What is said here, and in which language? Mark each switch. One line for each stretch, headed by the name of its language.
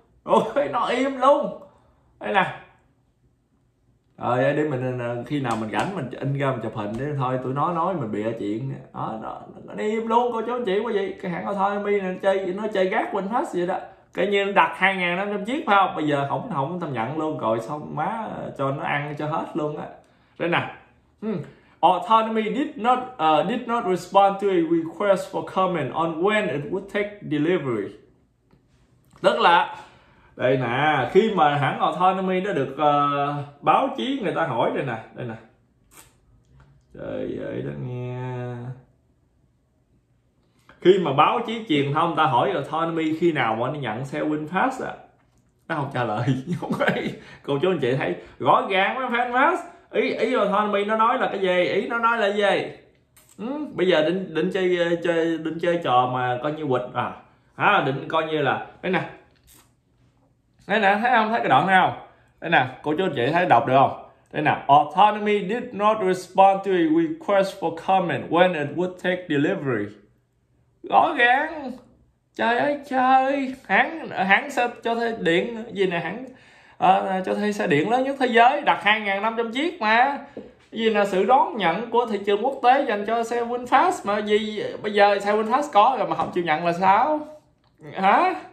Vietnamese: Ôi, nó im luôn. Đây nè. Rồi để mình khi nào mình rảnh mình in ra mình chụp hình để thôi tụi nó nói mình bịa chuyện đó, nó im luôn cô chú anh chị quá vậy. Cái hãng Autonomy này chơi nó chơi gác VinFast vậy đó, cái như đặt 2.500 chiếc phải không, bây giờ không không thâm nhận luôn rồi xong má cho nó ăn cho hết luôn á.
English: Đây nè, autonomy did not respond to a request for comment on when it would take delivery.
Vietnamese: Tức là đây nè, khi mà hãng autonomy nó được báo chí người ta hỏi đây nè, đây nè, trời ơi đó nghe. Khi mà báo chí truyền thông ta hỏi autonomy khi nào mà nó nhận xe VinFast á, nó không trả lời. Cô chú anh chị thấy gõ gàng với VinFast. Ý autonomy nó nói là cái gì? Ý nó nói là gì? Bây giờ định chơi trò mà coi như quịch à. À, định coi như là đây nè. Đây nè, thấy không? Thấy cái đoạn nào? Đây nè, cô chú anh chị thấy đọc được không?
English: Đây nè, autonomy did not respond to a request for comment when it would take delivery.
Vietnamese: Rõ ràng, trời ơi trời, hãng xe cho thuê điện gì nè, hãng cho thuê xe điện lớn nhất thế giới đặt 2.500 chiếc mà gì là sự đón nhận của thị trường quốc tế dành cho xe VinFast mà gì bây giờ xe VinFast có rồi mà không chịu nhận là sao hả?